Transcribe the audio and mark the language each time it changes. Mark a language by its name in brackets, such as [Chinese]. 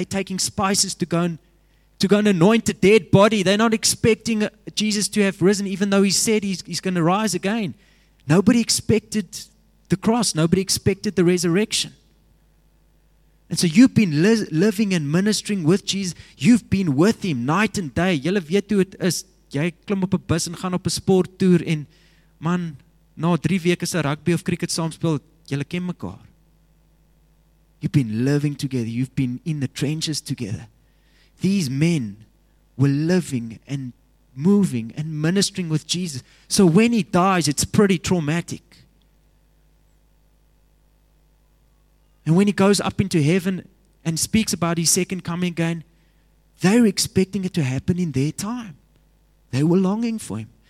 [English] They're taking spices to go and anoint a dead body. They're not expecting Jesus to have risen, even though he said he's going to rise again. Nobody expected the cross. Nobody expected the resurrection. And so you've been living and ministering with Jesus. You've been with him night and day. [Afrikaans] Julle weet hoe dit is. Jy klim op 'n bus en gaan op 'n sporttoer en man, na 3 weke se rugby of cricket saamspeel, julle ken mekaar. [English] You've been living together. You've been in the trenches together. These men were living and moving and ministering with Jesus. So when he dies, it's pretty traumatic. And when he goes up into heaven and speaks about his second coming again, they're expecting it to happen in their time. They were longing for him.